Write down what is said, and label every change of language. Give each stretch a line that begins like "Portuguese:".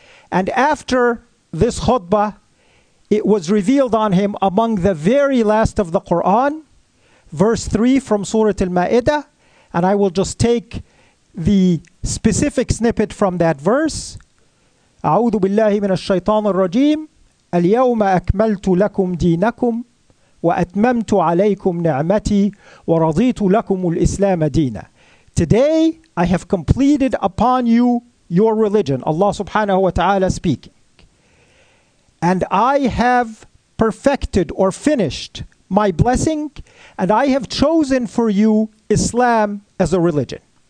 English: And after this khutbah, it was revealed on him among the very last of the Quran, verse 3 from Surah Al-Ma'idah, and I will just take the specific snippet from that verse.
Arabic: أعوذ بالله من الشيطان الرجيم اليوم أكملت لكم دينكم وأتممت عليكم نعمتي ورضيت لكم الإسلام دينا.
English: Today I have completed upon you your religion, Allah subhanahu wa ta'ala speaking. And I have perfected or finished my blessing, and I have chosen for you Islam as a religion.